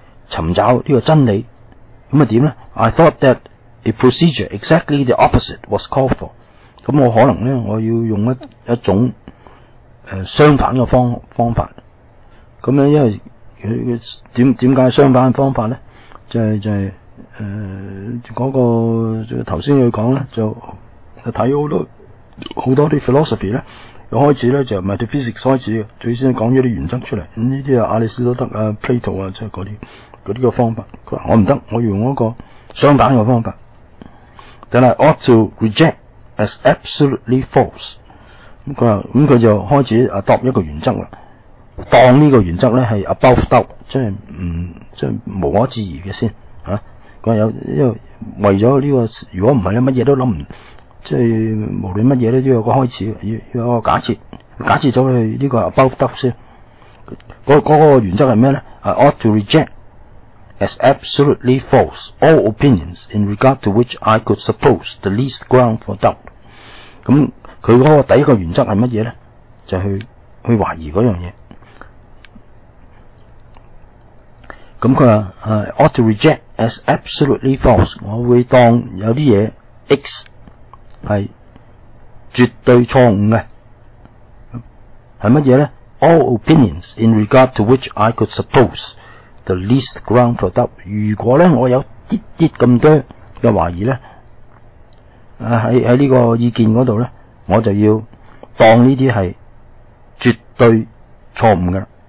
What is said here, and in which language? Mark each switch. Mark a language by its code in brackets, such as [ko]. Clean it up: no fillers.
[yue] 尋找呢個真理，咁啊點咧 [en] ？I thought that a procedure exactly the opposite was called for。 [yue] 咁我可能咧，我要用一種相反嘅方法。咁咧，因為佢點解相反嘅方法咧？就係頭先佢講咧，就睇好多啲 philosophy 咧，一開始咧就唔係對 physics 開始嘅，最先講咗啲原則出嚟。咁呢啲啊，亞里士多德啊、Plato 啊，即係嗰啲。嗰啲個方法，佢話我唔得，我用嗰個相反嘅方法。但係 [en] ought to reject as absolutely false。 [yue] 咁佢話，咁佢就開始adopt一個原則啦，當呢個原則咧係 [en] above doubt， [yue] 即係無可置疑嘅先嚇。佢話有，因為為咗呢、這個，如果唔係咧，乜嘢都諗唔，即係無論乜嘢咧都有個開始，要有個假設，假設咗佢呢個 [en] above doubt [yue] 先。嗰個原則係咩咧？係 [en] ought to reject。 As absolutely false, all opinions in regard to which I could suppose the least ground for doubt。 [yue] 咁佢嗰个第一个原则系乜嘢咧？就去怀疑嗰样嘢。咁佢话 ， [en] ought to reject as absolutely false。 [yue] 我会当有啲嘢 X 系绝对错误嘅。系乜嘢咧 [en] ？All opinions in regard to which I could suppose。 The least ground for doubt。 [yue] 如果咧，我有啲啲咁多嘅懷疑咧，喺呢個意見嗰度咧，我就要當呢啲係絕對錯誤嘅。